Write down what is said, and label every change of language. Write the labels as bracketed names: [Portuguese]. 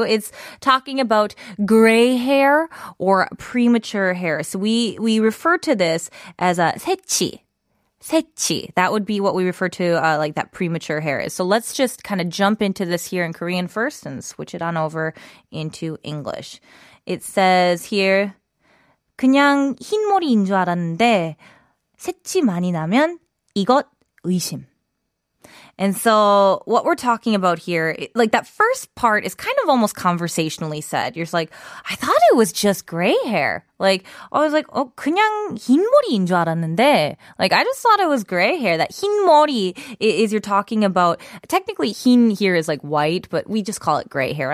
[English] It's talking about gray hair or premature hair. So we refer to this as a 새치. [Korean] 새치. [English] That would be what we refer to like that premature hair is. So let's just kind of jump into this here in Korean first and switch it on over into English. It says here, [Korean] 그냥 흰머리인 줄 알았는데 새치 많이 나면 이것 의심. [English] And so what we're talking about here, like that first part is kind of almost conversationally said. You're just like, I thought it was just gray hair. Like, I was like, oh, [Korean] 그냥 흰머리인 줄 알았는데. [English] Like, I just thought it was gray hair. That 흰머리 is you're talking about, technically 흰 here is like white, but we just call it gray hair.